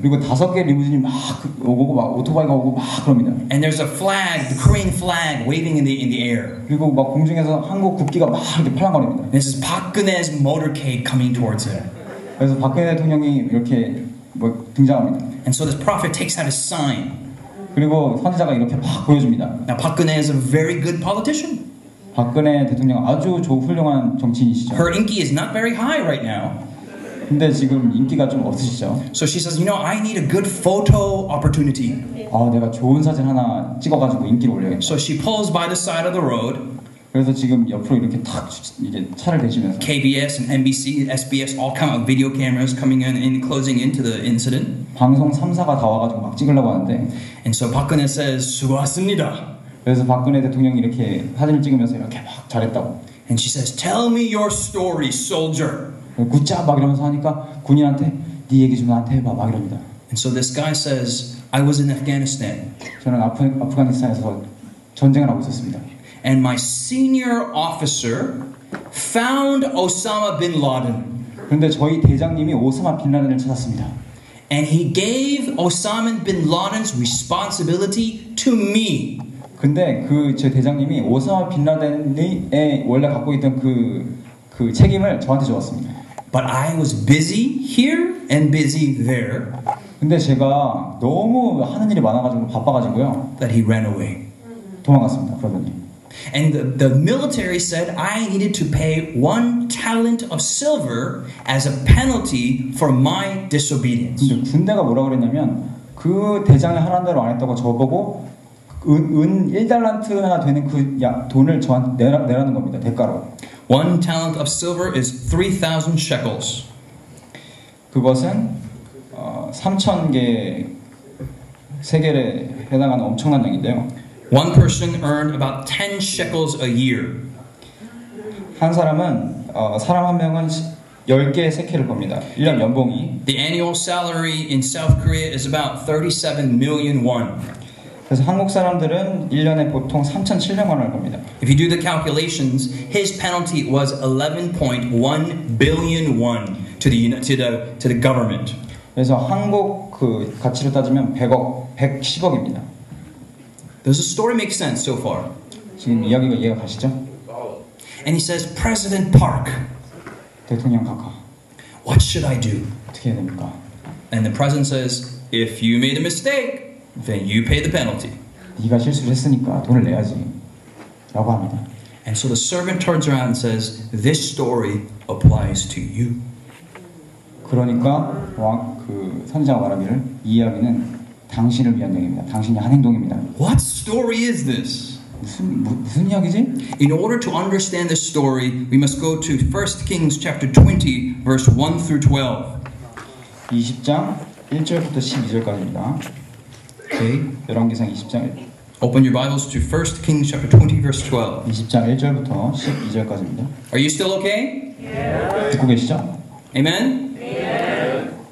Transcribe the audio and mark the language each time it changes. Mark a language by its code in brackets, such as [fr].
[ko] 그리고 다섯 개 리무진이 막 오고 막 오토바이가 오고 막 그럽니다. [en] And there's a flag, the Korean flag waving in the air. [ko] 그리고 막 공중에서 한국 국기가 막 이렇게 팔랑거립니다. [en] This is 박근혜's motorcade coming towards him. [ko] 그래서 박근혜 대통령이 이렇게 뭐 등장합니다. [en] And so this prophet takes out a sign. [ko] 그리고 선지자가 이렇게 막 보여줍니다. [en] Now 박근혜 is a very good politician. [ko] 박근혜 대통령 아주 훌륭한 정치인이시죠. [en] Her inki is not very high right now. [ko] 근데 지금 인기가 좀 없으시죠. [en] So she says, you know, I need a good photo opportunity. [ko] 아, 내가 좋은 사진 하나 찍어가지고 인기를 올려야겠다. [en] So she pulls by the side of the road. [ko] 그래서 지금 옆으로 이렇게 탁 이제 차를 대시면서. [en] KBS and NBC, SBS all come out video cameras coming in and closing into the incident. [ko] 방송 3사가 다 와가지고 막 찍으려고 하는데. [en] And so 박근혜 says, [ko] 수고하셨습니다. 그래서 박근혜 대통령이 이렇게 사진을 찍으면서 이렇게 막 잘했다고. [en] And she says, "Tell me your story, soldier." [ko] 굳자 막 이러면서 하니까 군인한테 네 얘기 좀 나한테 해봐 막 이럽니다. [en] And so this guy says, "I was in Afghanistan." [ko] 저는 아프가니스탄에서 전쟁을 하고 있었습니다. [en] And my senior officer found Osama bin Laden. [ko] 그런데 저희 대장님이 오사마 빈 라덴을 찾았습니다. [en] And he gave Osama bin Laden's responsibility to me. [ko] 근데 그 제 대장님이 오사마 빈라덴이 원래 갖고 있던 그 책임을 저한테 주었습니다. [en] But I was busy here and busy there. [ko] 근데 제가 너무 하는 일이 많아가지고 바빠가지고요. [en] That he ran away. [ko] 도망갔습니다. 그러더니. [en] And the military said I needed to pay one talent of silver as a penalty for my disobedience. [ko] 근데 군대가 뭐라 그랬냐면 그 대장이 하라는 대로 안 했다고 저보고 은 1달란트나 되는 그 야, 돈을 저한테 내라는 겁니다. 대가로. [en] One talent of silver is 3000 shekels. [ko] 그것은 3000개의 세겔에 해당하는 엄청난 양인데요. [en] One person earned about 10 shekels a year. [ko] 한 사람은 사람 한 명은 10개의 세켈을 봅니다. 1년 연봉이. [en] The annual salary in South Korea is about 37 million won. [ko] 그래서 한국 사람들은 1년에 보통 3,700원을 봅니다. [en] If you do the calculations, his penalty was 11.1 billion won to the government. [ko] 그래서 한국 그 가치로 따지면 100억, 110억입니다. [en] Does the story make sense so far? [ko] 지금 이야기가 이해가 가시죠? [en] And he says, President Park. [ko] 대통령 각하. [en] What should I do? [ko] 어떻게 해야 됩니까? [en] And the president says, If you made a mistake, then you pay the penalty. [ko] 네가 실수를 했으니까 돈을 내야지. 라고 합니다. [en] And so the servant turns around and says, This story applies to you. [ko] 그러니까 왕 그 선지자가 말하기를 이 이야기는 당신을 위한 얘기입니다. 당신이 한 행동입니다. [en] What story is this? [ko] 무슨 이야기지? [en] In order to understand this story, we must go to 1 Kings chapter 20 verse 1 through 12. [ko] 20장 1절부터 12절까지입니다. [en] Okay. [ko] 열왕기상 20장 [en] Open your Bibles to 1 Kings chapter 20 verse 12. [ko] 20장 1절부터 12절까지입니다. [en] Are you still okay? Yeah. [ko] 듣고 계시죠? [en] Amen. Yeah.